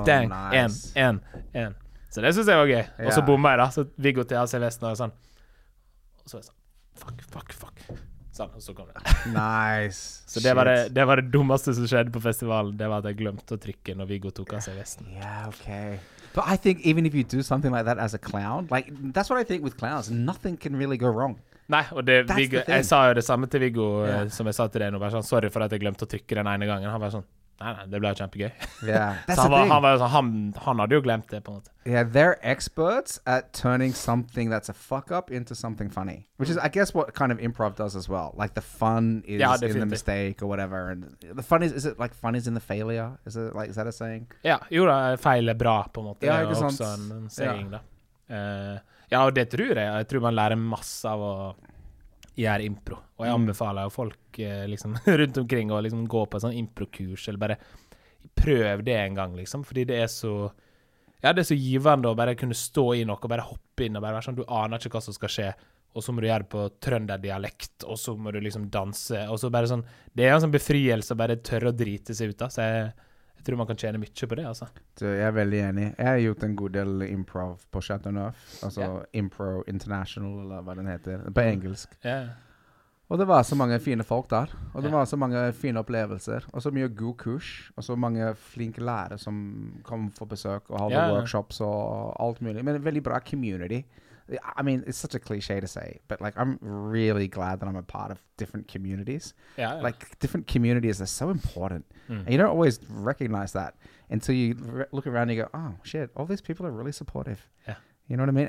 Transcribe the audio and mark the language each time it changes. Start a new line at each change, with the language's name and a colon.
English: oh, dang, nice.
Norwegian: en. Så det synes jeg var gøy.
English: Yeah.
Norwegian: Og så bommet jeg da, så Viggo til AC Vesten og sånn. Og så var jeg sånn, fuck. Sånn, og så kom det.
English: Nice.
Norwegian: Så det var det dummeste som skjedde på festivalen. Det var at jeg glemte å trykke når Viggo tok av seg vesten.
English: Yeah, okay. But I think even if you do something like that as a clown, like, that's what I think with clowns. Nothing can really go wrong.
Norwegian: Nei, og det, Viggo, jeg sa jo det samme til Viggo,
English: yeah.
Norwegian: som jeg sa til deg nå. Bare sånn, sorry for at jeg glemte å trykke den ene gangen. Han var sånn, nei, det ble kjempegøy.
English: Yeah, that's the thing.
Norwegian: Han hadde jo glemt det på en måte.
English: Yeah, they're experts at turning something that's a fuck up into something funny. Which is, I guess, what kind of improv does as well. Like, the fun is in the mistake or whatever. And the fun is it like fun is in the failure? Is it like, is that a saying?
Norwegian: Ja, jo da, feil er bra på en måte. Det er jo også en saying da. Ja, og det tror jeg. Jeg tror man lærer masse av å gjøre impro. Og jeg anbefaler jo folk liksom, rundt omkring å liksom, gå på en sånn impro-kurs, eller bare prøv det en gang, liksom. Fordi det er så, ja, det er så givende å bare kunne stå i noe, og bare hoppe inn, og bare være sånn, du aner ikke hva som skal skje, og så må du gjøre det på trønderdialekt, og så må du liksom danse, og så bare sånn, det er en sånn befrielse, bare tørre å drite seg ut, da. Så jeg tror man kan tjene mye på det, altså. Du, jeg er veldig enig. Jeg har gjort en god del improv på Chateauneuf, altså Impro International, eller hva den heter, på engelsk. Ja,
English: yeah.
Norwegian: Og det var så mange fine folk der, og det var så mange fine opplevelser, og så mye god kurs, og så mange flinke lærere som kom for besøk og holde workshops og alt mulig. Men en veldig bra community.
English: I mean, it's such a cliche to say, but like, I'm really glad that I'm a part of different communities. Yeah. Like, different communities are so important. Mm. And you don't always recognize that until you look around and you go, oh shit, all these people are really supportive. Yeah. You know what I mean?